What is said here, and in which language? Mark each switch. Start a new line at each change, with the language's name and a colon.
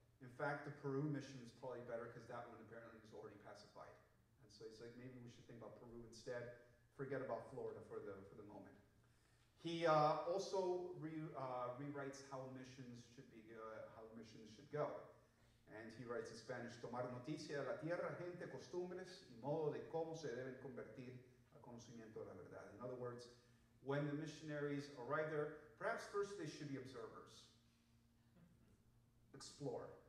English: In fact, the Peru mission is probably better, because that one apparently was already pacified. And so he's like, maybe we should think about Peru instead. Forget about Florida for the moment. He also rewrites how missions should go. And he writes in Spanish,
Spanish: tomar noticia de la tierra, gente, costumbres, y modo de cómo se deben convertir a conocimiento de la verdad.
English: In other words, when the missionaries arrive there, perhaps first they should be observers. Explore.